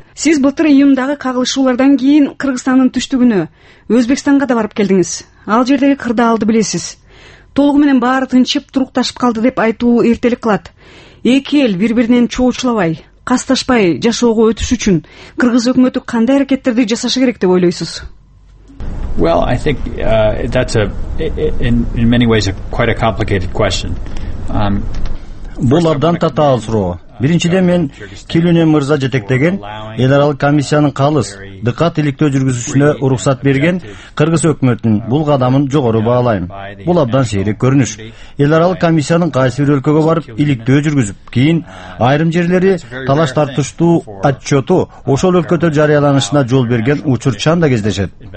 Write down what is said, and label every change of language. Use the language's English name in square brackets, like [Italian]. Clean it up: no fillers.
[Kyrgyz] Сиз былтыр июндагы кагылышуулардан кийин Кыргызстандын түштүгүнө Өзбекстанга да барып келдиңиз. Ал жердеги кырдаалды билесиз. Толугу менен баары тынчып турукташып калды деп айтуу эртелик кылат. Эки эл бири биринен чоочулабай, касташпай жашоого өтүш үчүн кыргыз өкмөтү кандай аракеттерди жасашы керек деп ойлойсуз? [English] Well, I think that's in many ways a quite a complicated question. [Kyrgyz] Бул абдан татаал суроо. Биринчиден мен Келюне мырза жетектеген эл аралык комиссиянын калыс дыкат иликтөө жүргүзүүсүнө уруксат берген кыргыз өкмөтүнүн бул кадамын жогору баалайм. Бул абдан сейрек көрүнүш. Эл аралык комиссиянын кайсы бир өлкөгө барып иликтөө жүргүзүп, кийин айрым жерлери талаш тартыштуу отчету ошол өлкөдө жарыяланышына жол берген учурчан да кездешет.